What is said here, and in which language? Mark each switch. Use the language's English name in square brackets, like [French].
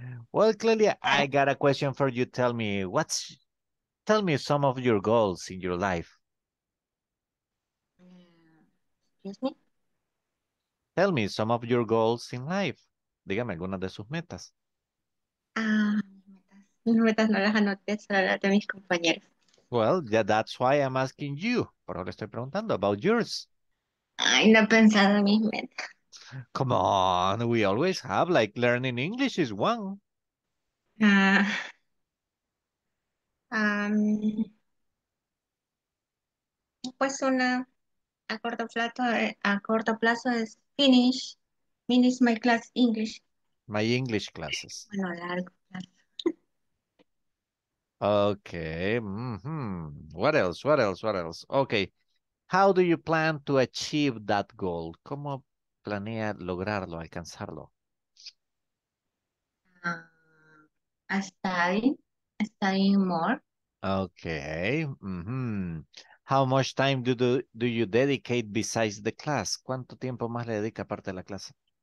[English] Well, Clelia, I got a question for you. Tell me some of your goals in your life. Excuse me? Tell me some of your goals in life. [Spanish] Dígame algunas de sus metas. Mis metas no las anoté, solo las de mis compañeros. [English] Well, yeah, that's why I'm asking you. [Spanish] Por eso le estoy preguntando [English] about yours. [Spanish] Ay, no he pensado en mis metas. [English] Come on, we always have, like, learning English is one. [Spanish] Pues una a corto plazo es [English] Finish my class English. My English classes. [Spanish] Bueno, largo. [English] Okay. Mm-hmm. What else? Okay. How do you plan to achieve that goal? [Spanish] ¿Cómo planea lograrlo, alcanzarlo? [English] Studying more. Okay. Mm-hmm. How much time do you dedicate besides the class? [Spanish] ¿Cuánto tiempo más le dedica aparte de la clase?